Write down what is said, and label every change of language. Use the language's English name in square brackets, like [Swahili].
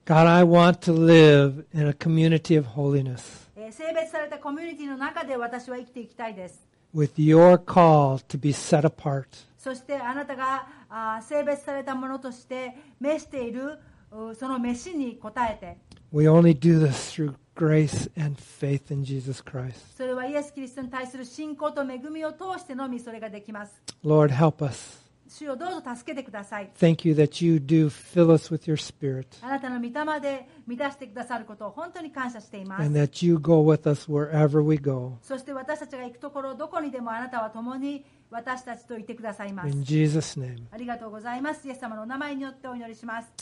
[English] God, I want to live in a community of holiness. [Japanese] 聖別されたコミュニティの中で私は生きていきたいです。 [English] With your call to be set apart. [Japanese] そしてあなたが聖別されたものとして召しているその召しに応えて。 [English] We only do this through grace and faith in Jesus Christ. [Japanese] それはイエス・キリストに対する信仰と恵みを通してのみそれができます。 [English] Lord, help us. [Japanese] 主よどうぞ助けてください。 [English] Thank you that you do fill us with your spirit. [Japanese] あなたの御霊で満たしてくださることを本当に感謝しています。 [English] And that you go with us wherever we go. [Japanese] そして私たちが行くところどこにでもあなたは共に私たちといてくださいます。 [English] In Jesus' name. [Japanese] ありがとうございます。イエス様のお名前によってお祈りします。